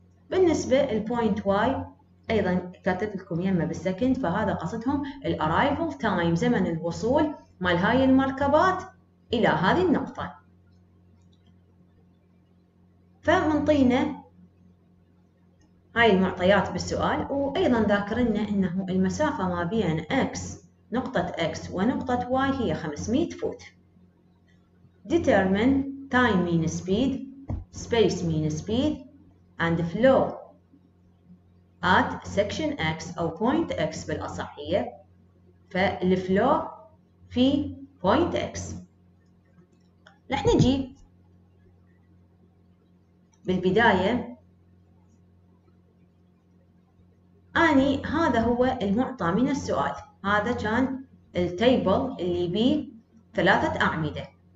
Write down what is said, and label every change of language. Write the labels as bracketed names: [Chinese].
[Arabic] بالنسبة الـ point Y أيضا كاتب لكم يمه بالسكند، فهذا قصدهم الـ arrival time زمن الوصول مال هاي المركبات إلى هذه النقطة. فمنطينا هاي المعطيات بالسؤال، وأيضا ذاكرنا أنه المسافة ما بين X نقطة X ونقطة Y هي 500 فوت. [English] Determine time mean speed, space mean speed, and flow at section X أو point X بالأصحية. [Arabic] فالفلو في point X. رح نجي بالبداية. أني هذا هو المعطى من السؤال. هذا كان التيبل اللي بيه ثلاثة أعمدة.